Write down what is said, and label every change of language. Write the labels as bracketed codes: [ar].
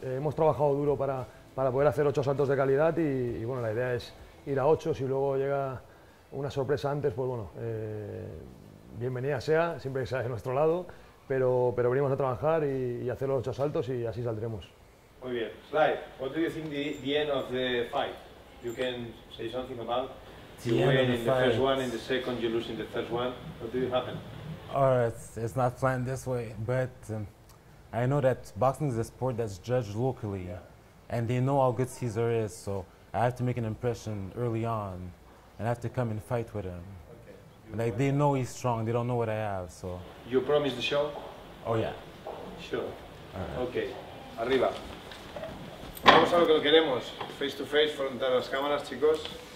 [es] Hemos trabajado duro para poder hacer 8 asaltos de calidad y bueno, la idea es ir a 8. Si luego llega una sorpresa antes, pues bueno, bienvenida sea, siempre que sea de nuestro lado. Pero venimos a trabajar y hacer los 8 asaltos y así saldremos. Muy bien. [en] Sly, what do you think the end of the fight? You can say something about? You win in the first one, in the second you lose in the third one. What do you happen? Oh, it's not planned this way, but I know that boxing is a sport that's judged locally, yeah. And they know how good Caesar is, so I have to make an impression early on, and I have to come and fight with him. Okay. Like, they know he's strong, they don't know what I have, so... You promise the show? Oh, yeah. Sure. Right. Okay. [es] Arriba. Vamos a lo que queremos. [en] Face to face, [es] frente a las cámaras, chicos.